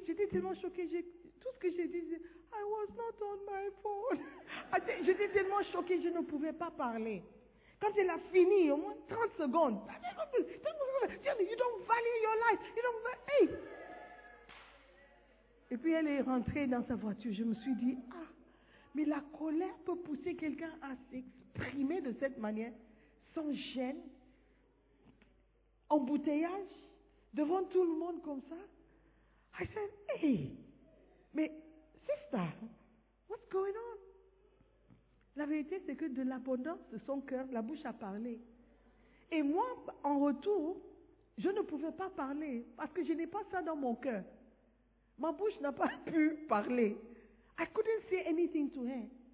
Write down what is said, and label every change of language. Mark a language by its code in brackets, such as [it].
[fr] J'étais tellement choquée. Tout ce que j'ai dit, c'est [en] I was not on my phone. [fr] J'étais tellement choquée, je ne pouvais pas parler. Quand elle a fini, au moins 30 secondes. [en] You don't value your life. You don't value. Hey. [fr] Et puis elle est rentrée dans sa voiture. Je me suis dit, ah, mais la colère peut pousser quelqu'un à s'exprimer de cette manière. Sans gêne, embouteillage, devant tout le monde comme ça. [en] I said, hey, [fr] mais [en] sister, what's going on? [fr] La vérité, c'est que de l'abondance de son cœur, la bouche a parlé. Et moi, en retour, je ne pouvais pas parler parce que je n'ai pas ça dans mon cœur. Ma bouche n'a pas pu parler. [en] I couldn't say anything to her.